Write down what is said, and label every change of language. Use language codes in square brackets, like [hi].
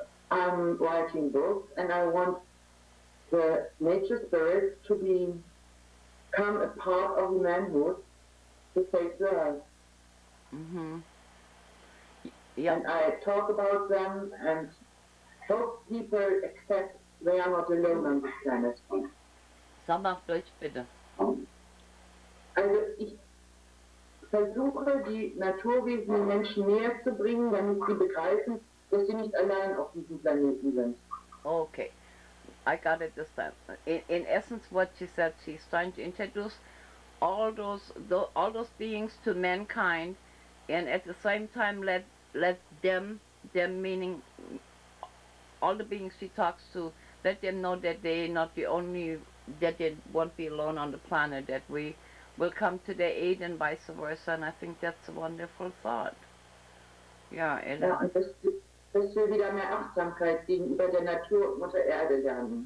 [en] I'm writing books, and I want the nature spirit to become a part of manhood to save the earth. Mm-hmm. Yep. And I talk about them and help people accept they are not alone on this planet. [de] Sag mal auf Deutsch, bitte. Also ich versuche, die Naturwesen den Menschen näher zu bringen, damit sie begreifen, dass sie nicht allein auf diesem Planeten sind. [en] Okay. I got it this time. In essence, what she said, she's trying to introduce all those beings to mankind, and at the same time let them meaning all the beings she talks to, let them know that they not the only, that they won't be alone on the planet, that we will come to their aid and vice versa. And I think that's a wonderful thought. Yeah, and [de] yeah, dass wir wieder mehr Achtsamkeit gegenüber der Natur und Mutter Erde lernen.